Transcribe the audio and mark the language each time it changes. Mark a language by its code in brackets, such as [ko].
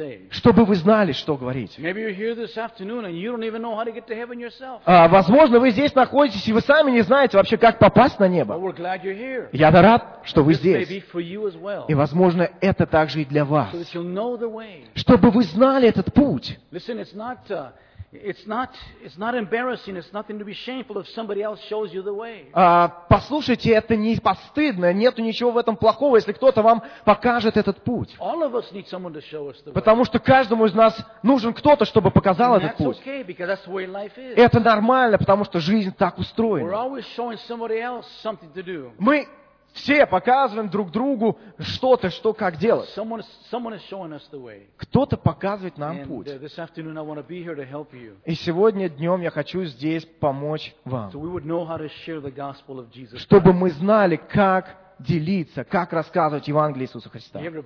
[ru] Чтобы вы знали, что говорить. Возможно, вы здесь находитесь, и вы сами не знаете вообще, как попасть на небо. Я рад, что вы здесь. И, возможно, это также и для вас. Чтобы вы знали этот путь. [en] Listen, it's not embarrassing. It's nothing to be shameful if somebody else shows you the way. [ru] Послушайте, это не постыдно. Нету ничего в этом плохого, если кто-то вам покажет этот путь. [en] All of us need someone to show us the way. [ru] Потому что каждому из нас нужен кто-то, чтобы показал этот путь. [en] That's okay, because that's the way life is. [ru] Это нормально, потому что жизнь так устроена. [en] We're always showing somebody else something to do. [ru] Мы все показываем друг другу что-то, что как делать. Кто-то показывает нам путь. И сегодня днем я хочу здесь помочь вам. Чтобы мы знали, как делиться, как рассказывать Евангелие Иисуса Христа.